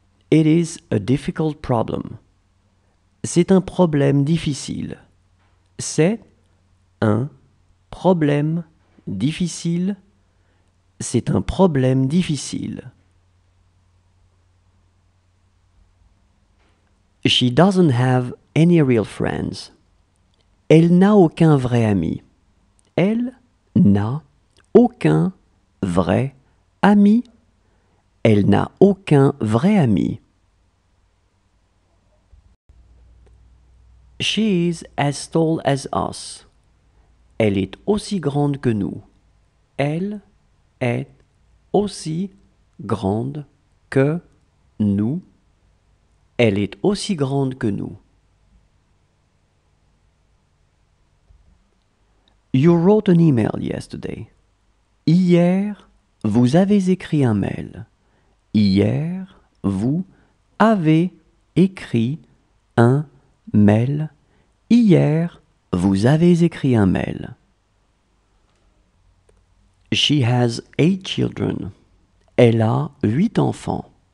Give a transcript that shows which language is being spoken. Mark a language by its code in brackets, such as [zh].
[en] It is a difficult problem. [fr] C'est un problème difficile. C'est un problème difficile. C'est un problème difficile. [en] She doesn't have any real friends. [fr] Elle n'a aucun vrai ami. Elle n'a aucun vrai ami. Elle n'a aucun vrai ami. [en] She is as tall as us. [fr] Elle est aussi grande que nous. Elle est aussi grande que nous. Elle est aussi grande que nous. [en] You wrote an email yesterday. [fr] Hier, vous avez écrit un mail. Hier, vous avez écrit un mail. Hier, vous avez écrit un mail. [en] She has 8 children. [fr] Elle a 8 enfants.